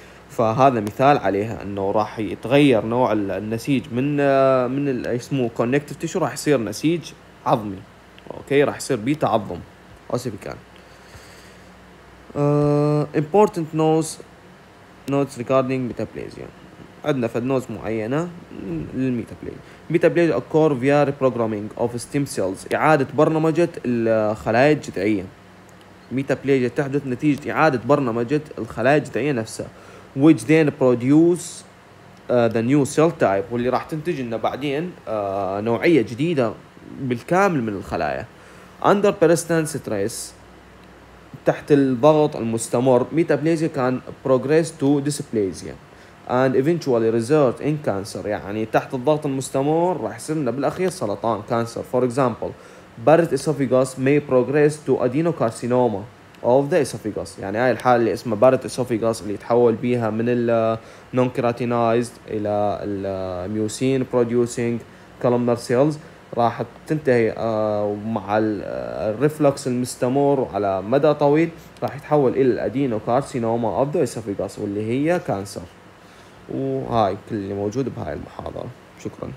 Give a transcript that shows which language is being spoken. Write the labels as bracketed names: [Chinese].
[Arabic] فهذا مثال عليها انه راح يتغير نوع النسيج من اللي اسمه كونكتيف تيشو، راح يصير نسيج عظمي، اوكي، راح يصير بيه تعظم اوسيفيكان. [English] important notes regarding metaplasia. [Arabic] عندنا فد نوز معينة للميتابليزيا. [English] metaplasia occur via reprogramming of stem cells, [Arabic] إعادة برنامجة الخلايا الجذعية. ميتابليزيا تحدث نتيجة إعادة برنامجة الخلايا الجذعية نفسها, [English] which then produce the new cell type, [Arabic] واللي راح تنتج لنا بعدين نوعية جديدة بالكامل من الخلايا. [English] under persistent stress, [Arabic] تحت الضغط المستمر, [English] Metaplasia can progress to dysplasia and eventually result in cancer. [Arabic] يعني تحت الضغط المستمر راح يصير لنا بالأخير سرطان, cancer. [English] For example, Barrett's esophagus may progress to adenocarcinoma of the esophagus. [Arabic] يعني هاي الحالة اللي اسمها Barrett's esophagus اللي يتحول بيها من ال non-keratinized إلى ال [English] mucin producing columnar cells [Arabic] راح تنتهي مع ال reflux المستمر على مدى طويل, راح يتحول إلى [English] adenocarcinoma of the esophagus [Arabic] واللي هي cancer. وهاي كل اللي موجود بهاي المحاضرة. شكرا.